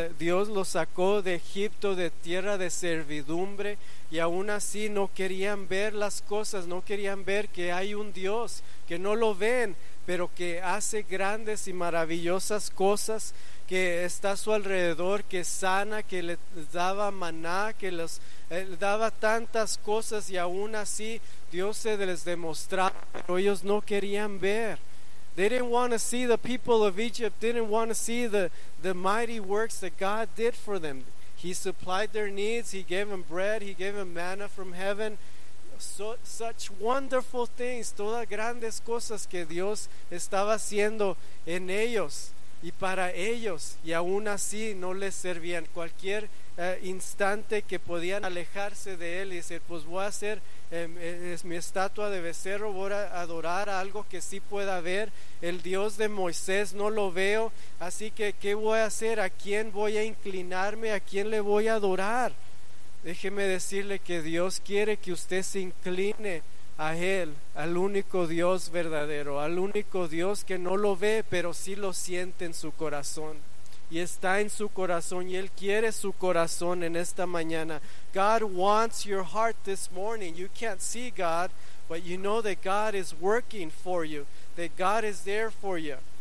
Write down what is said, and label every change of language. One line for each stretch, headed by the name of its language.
Spanish: Dios lo sacó de Egipto, de tierra de servidumbre, y aún así no querían ver las cosas, no querían ver que hay un Dios, que no lo ven, pero que hace grandes y maravillosas cosas, que está a su alrededor, que sana, que le daba maná, que les daba tantas cosas, y aún así Dios se les demostraba, pero ellos no querían ver.
English: They didn't want to see the people of Egypt, didn't want to see the mighty works that God did for them. He supplied their needs, he gave them bread, he gave them manna from heaven. Such wonderful things,
Spanish: todas grandes cosas que Dios estaba haciendo en ellos y para ellos, y aún así no les servían. Cualquier instante que podían alejarse de él y decir, pues voy a hacer es mi estatua de becerro, voy a adorar a algo que sí pueda ver, el Dios de Moisés no lo veo, así que ¿qué voy a hacer? ¿A quién voy a inclinarme? ¿A quién le voy a adorar? Déjeme decirle que Dios quiere que usted se incline a Él, al único Dios verdadero, al único Dios que no lo ve, pero sí lo siente en su corazón. Y está en su corazón, y Él quiere su corazón en esta mañana.
English: God wants your heart this morning. You can't see God, but you know that God is working for you, that God is there for you.